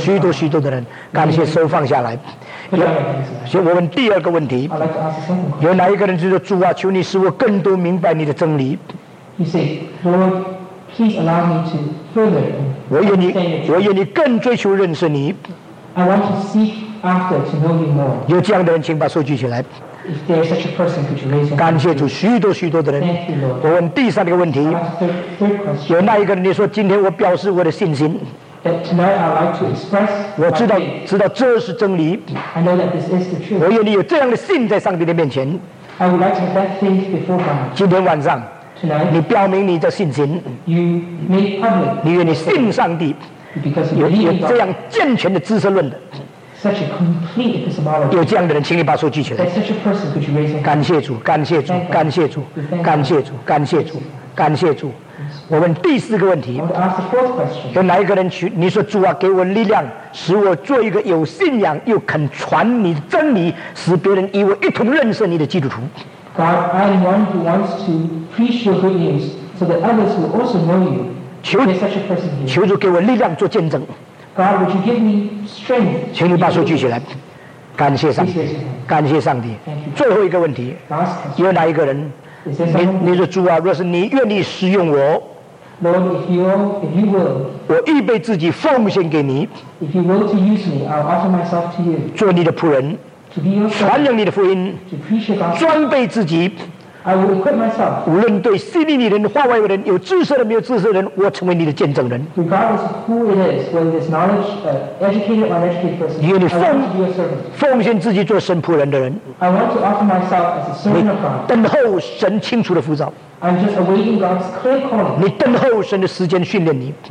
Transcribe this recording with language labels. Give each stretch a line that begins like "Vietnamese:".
Chinese: 许多的人， 感谢手放下来。我问第二个问题， 有哪一个人就说，主啊， 求你使我更多明白你的真理。
English: You say, Lord, please allow me to further understand your truth.
Chinese: 我愿意更追求认识你。
English: I want to seek after to know you more.
Chinese: 有这样的人， 请把手举起来。
English: If there is such a person, could you raise your hand?
Chinese: 感谢主， 许多的人。
English: Thank you, Lord.
Chinese: 我问第三个问题，
English: third question.
Chinese: 有哪一个人你说， 今天我表示我的信心。
English: That tonight I'd like to express my faith.
Chinese: 我知道这是真理。
English: I know that this is the truth.
Chinese: 我愿意有这样的信在上帝的面前。
English: I would like to have that faith before God.
Chinese: 今天晚上，
English: tonight,
Chinese: 你表明你的信心。
English: You made public.
Chinese: 你愿意信上帝。
English: Because you believe God.
Chinese: 有这样健全的知识论的。
English: Such a complete epistemology.
Chinese: 有这样的人， 请你把手举起来。
English: That such a person could you raise your hand?
Chinese: 感谢主， 感谢主， 感谢主， 感谢主， 感谢主。我问第四个问题，
English: I want to ask the fourth question.
Chinese: 有哪一个人去， 你说主啊， 给我力量， 使我做一个有信仰， 又肯传你真理， 使别人与我一同认识你的基督徒。
English: God, I am one who wants to preach your good news so that others will also know you.
Chinese: 求，
English: there's such a person here.
Chinese: 求主给我力量做见证。
English: God, would you give me strength?
Chinese: 请你把手举起来。感谢上帝， 感谢上帝。最后一个问题， 有哪一个人， 你说主啊， 若是你愿意使用我，
English: Lord, if you will,
Chinese: 我预备自己奉献给你。
English: If you will to use me, I'll offer myself to you.
Chinese: 做你的仆人。
English: To be your servant.
Chinese: 传扬你的福音。
English: To preach your gospel.
Chinese: 装备自己。
English: I will equip myself.
Chinese: 无论对心里的人， 话外的人， 有知识的， 没有知识的人， 我成为你的见证人。
English: Regardless of who it is, whether it's knowledge, educated or uneducated person,
Chinese: 愿你奉,
English: I want to be your servant.
Chinese: 奉献自己做神仆人的人。
English: I want to offer myself as a servant of God.
Chinese: 等候神清楚的呼召。
English: I'm just awaiting God's clear calling.
Chinese: 你等候神的时间训练你。